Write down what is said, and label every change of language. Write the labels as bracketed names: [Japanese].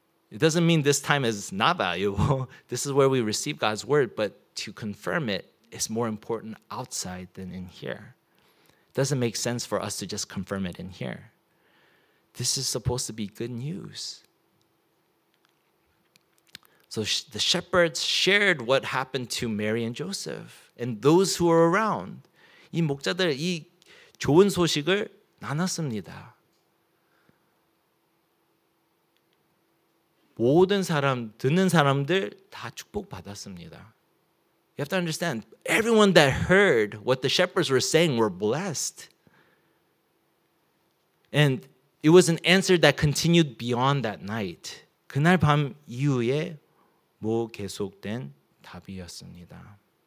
[English] It doesn't mean this time is not valuable. This is where we receive God's word, but to confirm it is more important outside than in here. It doesn't make sense for us to just confirm it in here. This is supposed to be good news. So the shepherds shared what happened to Mary and Joseph and those who were around. [Korean] 이 목자들 이 좋은 소식을 나눴습니다. 모든 사람, 듣는 사람들 다 축복받았습니다. [English] You have to understand, everyone that heard what the shepherds were saying were blessed. And it was an answer that continued beyond that night. [Korean] 그날 밤 이후에 뭐 계속된 답이었습니다.